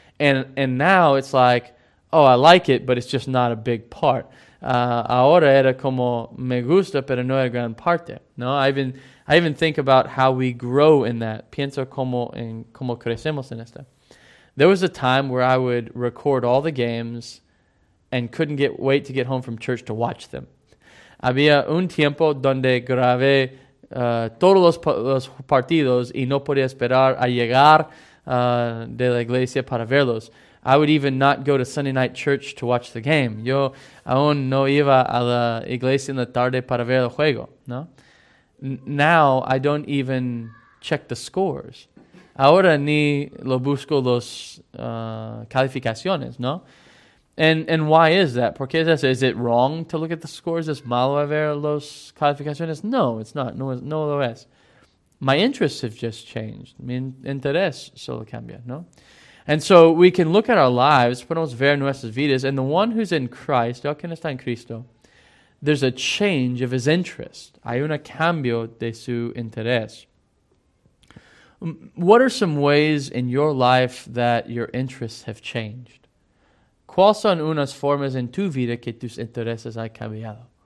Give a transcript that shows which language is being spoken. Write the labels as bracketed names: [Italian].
[English] And now it's like, oh, I like it, but it's just not a big part. [Spanish] Ahora era como, me gusta, pero no era gran parte. [English] No, I even think about how we grow in that. [Spanish] Pienso como crecemos en esto. [English] There was a time where I would record all the games and couldn't wait to get home from church to watch them. [Spanish] Había un tiempo donde grabé todos los partidos y no podía esperar a llegar de la iglesia para verlos. [English] I would even not go to Sunday night church to watch the game. [Spanish] Yo aún no iba a la iglesia en la tarde para ver el juego, ¿no? [English] Now, I don't even check the scores. [Spanish] Ahora ni lo busco los calificaciones, ¿no? [English] And why is that? [Spanish] ¿Por qué es eso? [English] Is it wrong to look at the scores? [Spanish] ¿Es malo a ver los calificaciones? [English] No, it's not. [Spanish] No lo es. [English] My interests have just changed. [Spanish] Mi interés solo cambia, ¿no? [English] And so we can look at our lives, [Spanish] podemos ver nuestras vidas, [English] and the one who's in Christ, [Spanish] el que está en Cristo, [English] there's a change of his interest. [Spanish] Hay un cambio de su interés. [English] What are some ways in your life that your interests have changed? [Spanish] ¿Cuáles son unas formas en tu vida que tus intereses han cambiado?